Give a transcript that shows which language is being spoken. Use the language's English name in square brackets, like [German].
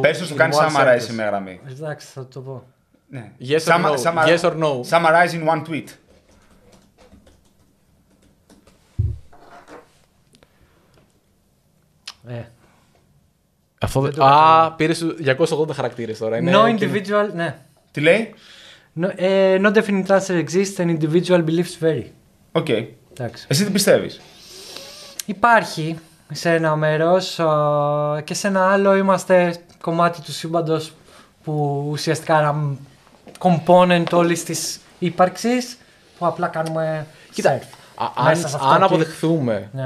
[Greek] Πες του, κάνει summarize με γραμμή. Εντάξει, θα το πω. Ναι. [English] Yes, yes or no. Summarize in one tweet. [Greek] Αυτό πήρε 280 χαρακτήρες τώρα. [English] No individual, ναι. [Greek] Τι λέει? [English] No definite answer exists and individual beliefs vary. [Greek] Οκ. Εσύ τι πιστεύεις? Υπάρχει σε ένα μέρος και σε ένα άλλο είμαστε κομμάτι του σύμπαντος που ουσιαστικά είναι component όλης της ύπαρξης που απλά κάνουμε surf. Αν αποδεχθούμε και...